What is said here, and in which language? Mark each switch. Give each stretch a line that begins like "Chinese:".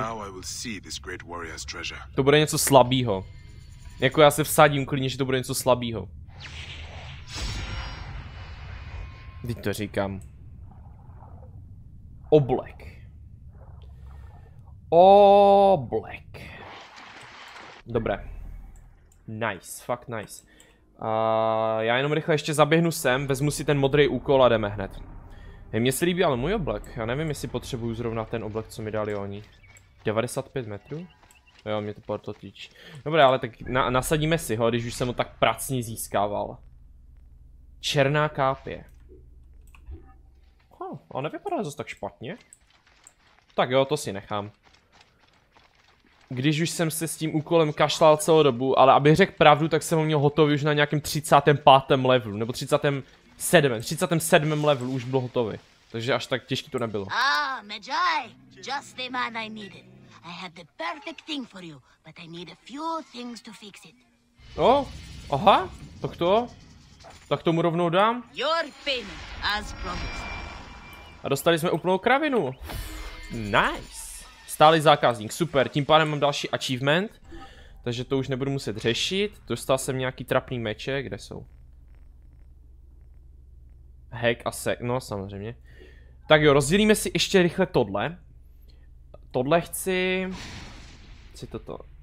English: Now I will see this great warrior's treasure.
Czech: To bude něco slabýho. Jako já se vsadím klidně, že to bude něco slabýho. Teď to říkám. Oblek. Oblek. Dobré. Nice, fakt nice. Já jenom rychle ještě zaběhnu sem, vezmu si ten modrý úkol a jdeme hned. Mně se líbí ale můj oblek, já nevím, jestli potřebuju zrovna ten oblek, co mi dali oni. 95 metrů? Jo, mě to porto týč. Dobré, ale tak nasadíme si ho, když už jsem ho tak pracně získával. Černá kápě. A nevypadá zase tak špatně. Tak jo, to si nechám. Když už jsem se s tím úkolem kašlal celou dobu, ale abych řekl pravdu, tak jsem ho měl hotový už na nějakém 35. levelu, nebo 37. levelu už byl hotový. Takže až tak těžký to nebylo.
English: Ah, Magi, just the man I needed. I had the perfect thing for you, but I need a few things to fix it.
Czech: Oh, aha, tak to. Tak tomu rovnou dám.
English: Your payment, as promised.
Czech: A dostali jsme úplnou kravinu. Nice. Stálý zákazník, super, tím pádem mám další achievement. Takže to už nebudu muset řešit. Dostal jsem nějaký trapný meče, kde jsou? Hack a sek, no samozřejmě. Tak jo, rozdělíme si ještě rychle tohle. Tohle chci. Chci toto.